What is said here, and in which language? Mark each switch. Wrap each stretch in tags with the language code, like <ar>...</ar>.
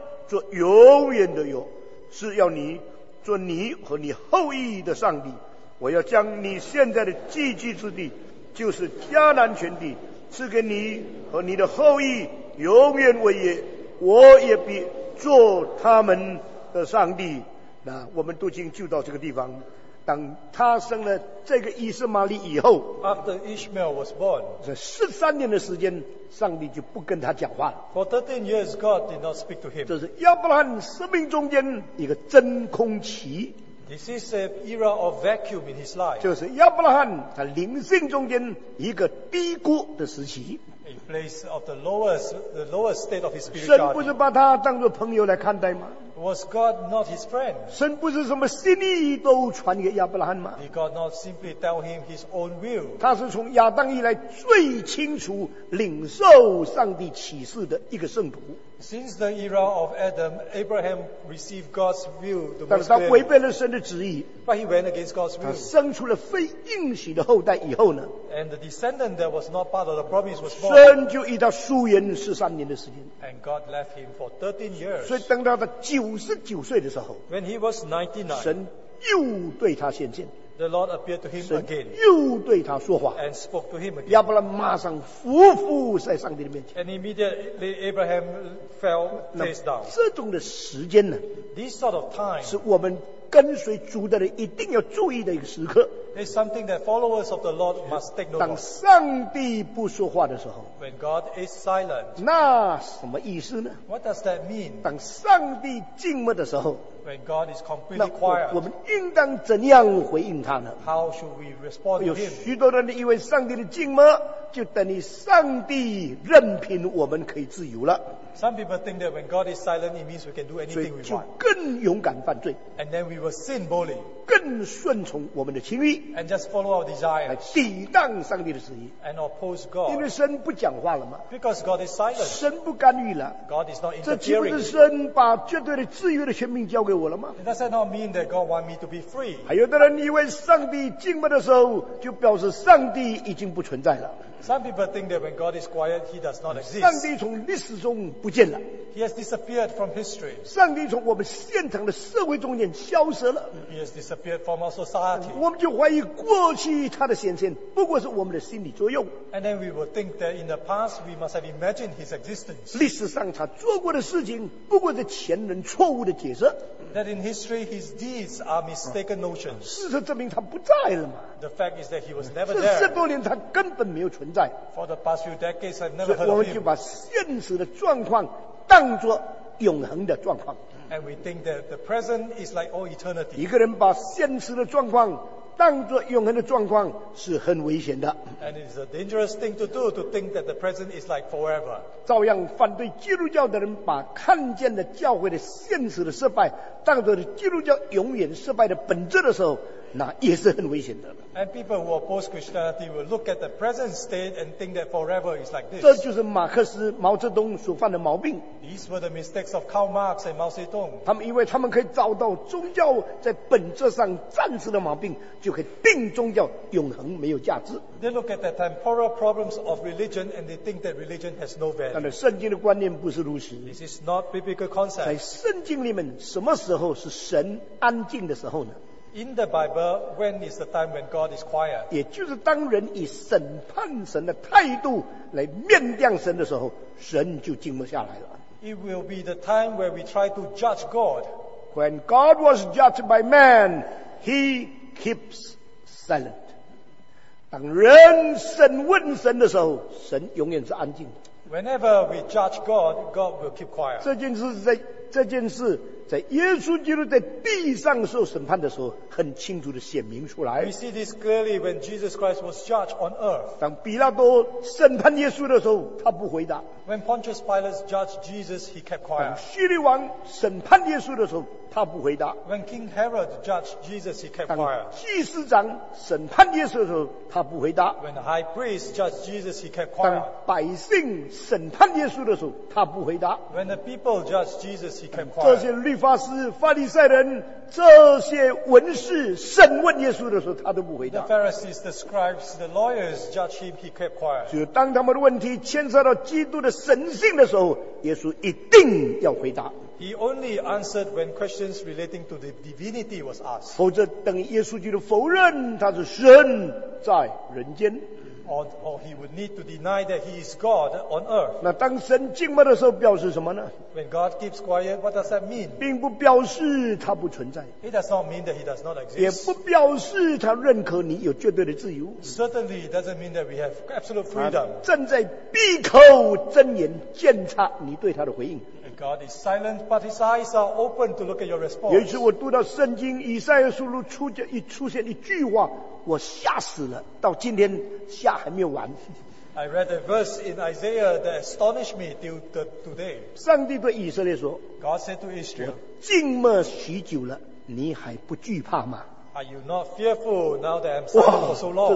<zh>做永远的约是要你做你和你后裔的上帝我要将你现在的寄居之地就是迦南全地赐给你和你的后裔永远为业我也必做他们的上帝那我们读经就到这个地方当他生了这个以斯玛利以后</zh> <en>After Ishmael was born</en> <zh>这十三年的时间上帝就不跟他讲话了</zh> <en>For 13 years God did not speak to him</en> <zh>这是亚伯拉罕生命中间一个真空期</zh> <en>This is an era of vacuum in his life</en> <zh>就是亚伯拉罕他灵性中间一个低谷的时期</zh> <en>A place of the lowest state of his spirit</en> <zh>神不是把他当作朋友来看待吗</zh> <en>Was God not his friend?</en> <zh>神不是什么心意都传给亚伯拉罕吗</zh> <en>Did God not simply tell him his own will?</en> <zh>他是从亚当以来最清楚领受上帝启示的一个圣徒</zh> <en>Since the era of Adam, Abraham received God's will the most</en> <zh>但是他违背了神的旨意</zh> <en>But he went against God's will</en> <zh>他生出了非应许的后代以后呢</zh> <en>And the descendant that was not part of the promise was born</en> <zh>神就与他疏远13年的时间</zh> <en>And God left him for 13 years</en> <zh>所以等到他的99岁的时候</zh> <en>When he was 99,</en> <zh>神又对他显现</zh> <en>the Lord appeared to him again,</en> <zh>神又对他说话</zh> <en>and spoke to him again.</en> <zh>亚伯拉马上伏伏在上帝的面前</zh> <en>and immediately Abraham fell face down.</en> <zh>这种的时间呢</zh> <en>This sort of time,</en> <zh>是我们跟随主的人一定要注意的一个时刻</zh> <en>is something that followers of the Lord must take note</en> <zh>当上帝不说话的时候</zh> <en>when God is silent</en> <zh>那什么意思呢</zh> <en>what does that mean</en> <zh>当上帝静默的时候</zh> <en>when God is completely quiet</en> <zh>那我们应当怎样回应他呢</zh> <en>how should we respond to him</en> <zh>有许多人以为上帝的静默就等于上帝任凭我们可以自由了</zh> <en>Some people think that when God is silent, it means we can do anything we want.</en> <zh>就更勇敢犯罪。</zh> <en>And then we will sin boldly.</en> <zh>更顺从我们的情欲。</zh> <en>And just follow our desires.</en> <zh>来抵挡上帝的旨意。</zh> <en>And oppose God.</en> <zh>因为神不讲话了嘛。</zh> <en>Because God is silent.</en> <zh>神不干预了。</zh> <en>God is not interfering.</en> <zh>这岂不是神把绝对的自由的权柄交给我了吗</zh> <en>？Does that not mean that God wants me to be free?</en> <zh>还有的人以为上帝静默的时候，就表示上帝已经不存在了。</zh> <en>Some people think that when God is quiet, He does not exist.</en> <zh>上帝从历史中不见了。</zh> <en>He has disappeared from history.</en> <zh>上帝从我们现成的社会中间消失了。</zh> <en>He has disappeared from our society.</en> <zh>我们就怀疑过去他的显现不过是我们的心理作用。</zh> <en>And then we will think that in the past we must have imagined His existence.</en> <zh>历史上他做过的事情不过是前人错误的解释。</zh> <en>That in history His deeds are mistaken notions.</en> <zh>事实证明他不在了嘛。</zh> <en>The fact is that He was never there.</en> <zh>这十多年他根本没有存在。</zh> <en>For the past few decades, I've never heard of Him.</en> <zh>所以我们就把现实的状况当作永恒的状况。</zh> <en>And we think that the present is like all eternity.</en> <zh>一个人把现实的状况当作永恒的状况是很危险的。</zh> <en>And it is a dangerous thing to do to think that the present is like forever.</en> <zh>照样反对基督教的人把看见的教会的现实的失败当作基督教永远失败的本质的时候那也是很危险的。</zh> <en>And people who oppose Christianity will look at the present state and think that forever is like this.</en> <zh>这就是马克思、毛泽东所犯的毛病。</zh> <en>These were the mistakes of Karl Marx and Mao Zedong.</en> <zh>他们以为他们可以找到宗教在本质上暂时的毛病，就可以定宗教永恒没有价值。</zh> <en>They look at the temporal problems of religion and they think that religion has no value.</en> <zh>但是圣经的观念不是如此。</zh> <en>This is not biblical concept.</en> <zh>在圣经里面，什么时候是神安静的时候呢？</zh> <en>In the Bible, when is the time when God is quiet?</en> <zh>也就是当人以审判神的态度来面对神的时候，神就静不下来了。</zh> <en>It will be the time where we try to judge God. When God was judged by man, He keeps silent.</en> <zh>当人审问神的时候，神永远是安静的。</zh> <en>Whenever we judge God, God will keep quiet.</en> <zh>这件事在耶稣基督在地上受审判的时候，很清楚地显明出来。</zh> <en>We see this clearly when Jesus Christ was judged on earth.</en> <zh>当比拉多审判耶稣的时候，他不回答。</zh> <en>When Pontius Pilate judged Jesus, he kept quiet.</en> <zh>当叙利王审判耶稣的时候，他不回答。</zh> <en>When King Herod judged Jesus, he kept quiet.</en> <zh>祭司长审判耶稣的时候，他不回答。</zh> <en>When the high priest judged Jesus, he kept quiet.</en> <zh>当百姓审判耶稣的时候，他不回答。</zh> <en>When the people judged Jesus, he kept quiet.</en> <zh>这些律法师、法利赛人、这些文士审问耶稣的时候，他都不回答。</zh> <en>The Pharisees, the scribes, the lawyers judged him, he kept quiet.</en> <zh>只有当他们的问题牵涉到基督的神性的时候，耶稣一定要回答。</zh> <en>He only answered when questions relating to the divinity was asked.</en> <zh>否则等耶稣基督否认他是神在人间。</zh> <en>Or he would need to deny that he is God on earth.</en> <zh>那当神静默的时候表示什么呢？</zh> <en>When God keeps quiet, what does that mean?</en> <zh>并不表示他不存在。</zh> <en>It does not mean that he does not exist.</en> <zh>也不表示他认可你有绝对的自由。</zh> <en>Certainly, it doesn't mean that we have absolute freedom.</en> <zh>正在闭口睁眼检查你对他的回应。</zh> <en>God is silent, but His eyes are open to look at your response.</en> <zh>有一次我读到圣经以赛亚书录出现一句话，我吓死了，到今天吓还没有完。</zh> <en>I read a verse in Isaiah that astonished me till today.</en> <zh>上帝对以色列说</zh> <en>，God said to Israel,</en> <zh>静默许久了，你还不惧怕吗？</zh> <en>Are you not fearful now that I'm silent for so long?</en>